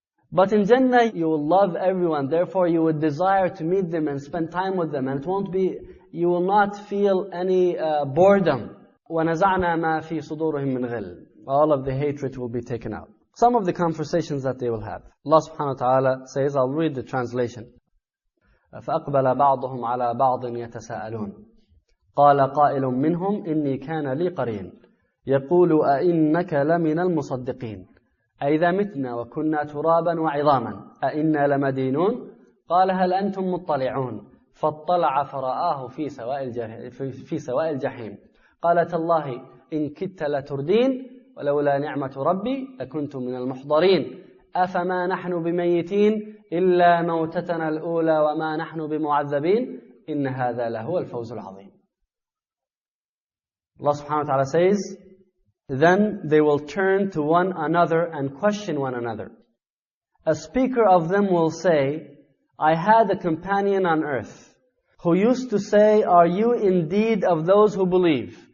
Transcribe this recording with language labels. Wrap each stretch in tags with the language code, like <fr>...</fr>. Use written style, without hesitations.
<en>But in Jannah, you will love everyone, therefore you would desire to meet them and spend time with them, and it won't be, you will not feel any boredom.</en> <ar>وَنَزَعْنَا مَا فِي صُدُورُهِمْ مِنْ غِلْ.</ar> <en>All of the hatred will be taken out. Some of the conversations that they will have. Allah subhanahu wa ta'ala says, I'll read the translation.</en> <ar>فَأَقْبَلَ بَعْضُهُمْ عَلَىٰ بَعْضٍ يَتَسَاءَلُونَ قَالَ قَائِلٌ مِّنْهُمْ إِنِّي كَانَ لِي قَرِينٌ يَقُولُ أَإِنَّكَ لَمِنَ الْمُصَدِّقِينَ أَإِذَا مِتْنَا وَكُنَّا تُرَابًا وَعِظَامًا أَإِنَّا لَمَدِينُونَ قَالَ هَلْ أَنْتُم مُطَّلِعُونَ فَاطَّلَعَ فَرَآهُ فِي سَوَاءِ الْجَحِيمِ قَالَ تَاللَّهِ إِن كِدْتَ لَتُرْدِينِ ولولا نعمة ربي لكنت من المحضرين أفما نحن بميتين إلا موتتنا الأولى وما نحن بمعذبين إن هذا لهو الفوز العظيم.</ar> <en>Allah subhanahu wa ta'ala says, then they will turn to one another and question one another. A speaker of them will say, I had a companion on earth who used to say, are you indeed of those who believe?</en>